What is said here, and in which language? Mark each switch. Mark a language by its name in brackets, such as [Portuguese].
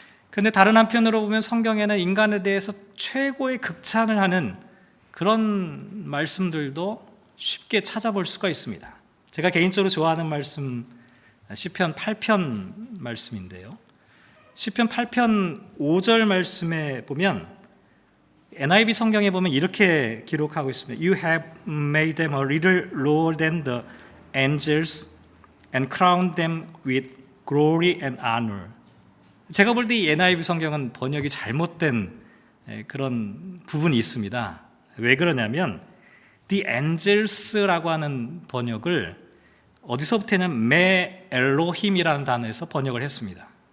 [Korean] 그런데 다른 한편으로 보면 성경에는 인간에 대해서 최고의 극찬을 하는 그런 말씀들도 쉽게 찾아볼 수가 있습니다. 제가 개인적으로 좋아하는 말씀 시편 8편 말씀인데요. 시편 8편 5절 말씀에 보면 NIV 성경에 보면 이렇게 기록하고 있습니다. [English] You have made them a little lower than the angels and crowned them with glory and honor. [Korean] 제가 볼 때 NIV 성경은 번역이 잘못된 그런 부분이 있습니다. 왜 그러냐면 the angels라고 하는 번역을 어디서부터냐면 메 엘로힘이라는 단어에서 번역을 했습니다.